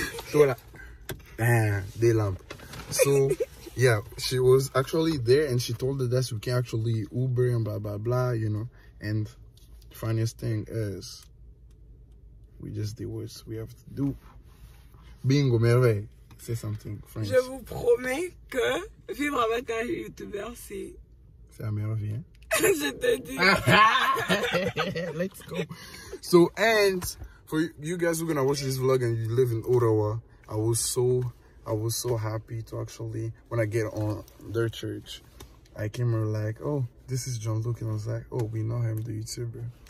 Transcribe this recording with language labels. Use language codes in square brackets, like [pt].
[en] So they lamp. So. Yeah, she was actually there and she told the desk we can actually Uber and blah blah blah, you know. And funniest thing is we just did what we have to do. Bingo, Merveille, say something French. [fr] Je vous promets que vivre avec un youtubeur, c'est la meilleure vie, hein? Je te dis. [en] Let's go. So, and for you guys who are gonna watch this vlog and you live in Ottawa, I was so happy to actually, when I get on their church, I came here like, oh, this is John Luke. And I was like, oh, we know him, the YouTuber.